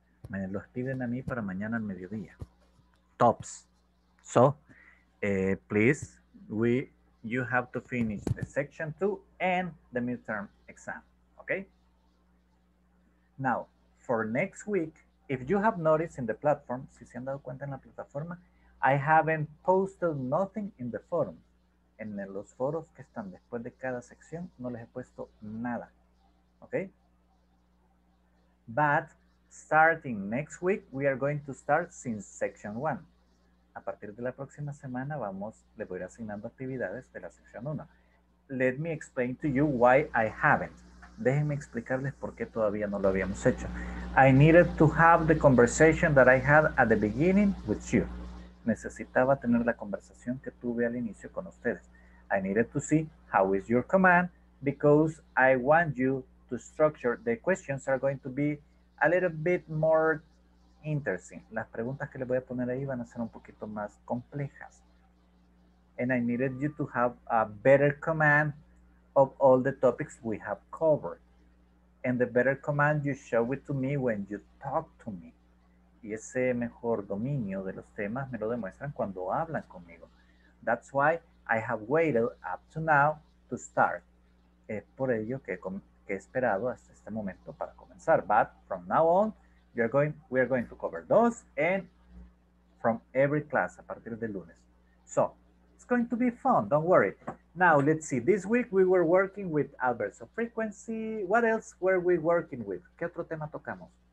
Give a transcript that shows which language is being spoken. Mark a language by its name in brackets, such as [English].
[Spanish] Me los piden a mí para mañana al mediodía. [English] Tops. So, please, you have to finish the section 2 and the midterm exam, okay? Now, for next week, if you have noticed in the platform, [Spanish] si se han dado cuenta en la plataforma, [English] I haven't posted nothing in the forum. [Spanish] En los foros que están después de cada sección, no les he puesto nada, okay? [English] But, starting next week, we are going to start since section 1. [Spanish] A partir de la próxima semana, le voy a ir asignando actividades de la sección 1. [English] Let me explain to you why I haven't. [Spanish] Déjenme explicarles por qué todavía no lo habíamos hecho. [English] I needed to have the conversation that I had at the beginning with you. [Spanish] Necesitaba tener la conversación que tuve al inicio con ustedes. [English] I needed to see how is your command because I want you to structure. The questions are going to be a little bit more interesting. [Spanish] Las preguntas que les voy a poner ahí van a ser un poquito más complejas. [English] And I needed you to have a better command of all the topics we have covered. And the better command you show it to me when you talk to me. [Spanish] Y ese mejor dominio de los temas me lo demuestran cuando hablan conmigo. [English] That's why I have waited up to now to start. [Spanish] Es por ello que he esperado hasta este momento para comenzar. [English] But from now on, we are going to cover those and from every class [Spanish] a partir de lunes. [English] So it's going to be fun. Don't worry. Now let's see. This week we were working with adverbs of frequency. What else were we working with? [Spanish] ¿Qué otro tema tocamos?